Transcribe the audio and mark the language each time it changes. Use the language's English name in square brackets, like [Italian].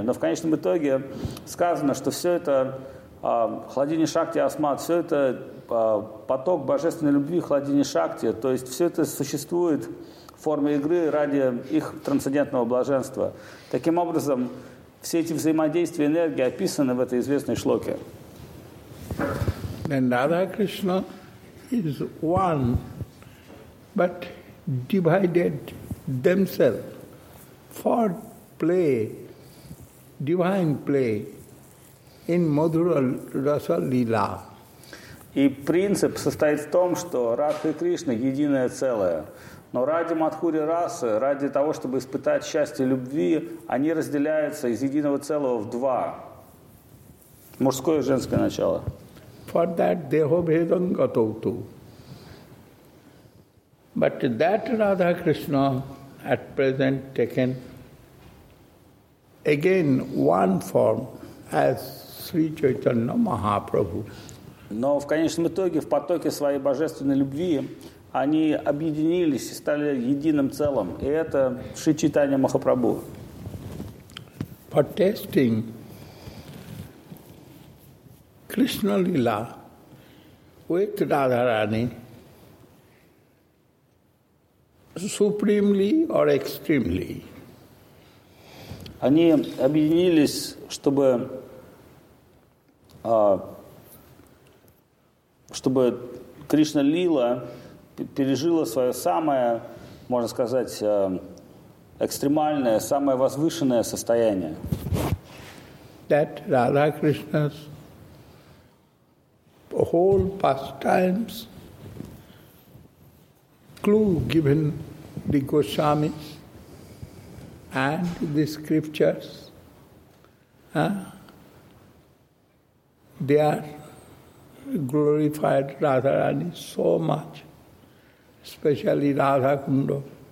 [Russian] Но в конечном итоге сказано, что все это Хладини Шакти Асмат, все это поток божественной любви Хладини Шакти, то есть все это существует в форме игры ради их трансцендентного блаженства. Таким образом, все эти взаимодействия энергии описаны в этой известной шлоке. [English] And Radha Krishna is one, but divided themselves for play, divine play, in Madhura Rasa Lila. [Russian] И принцип состоит в том, что Радха и Кришна – единое целое. Но ради Мадхури Расы, ради того, чтобы испытать счастье любви, они разделяются из единого целого в два. Мужское и женское начало. [English] For that [Sanskrit] deho bhedam gatautu. [English] But that Radha Krishna at present taken again one form as Sri Chaitanya Mahaprabhu. [Russian] Но в конечном итоге, в потоке своей божественной любви, они объединились и стали единым целым. И это Шри Чайтанья Махапрабху. [English] For tasting Krishna Lila with Radharani supremely or extremely. [Russian] Они объединились, чтобы чтобы Кришна Лила пережила свое самое, можно сказать, экстремальное, самое возвышенное состояние. [English] That Radha Krishna's whole pastimes clue given the Goswamis and the scriptures, they are glorified Radharani so much, especially Radha Kundo,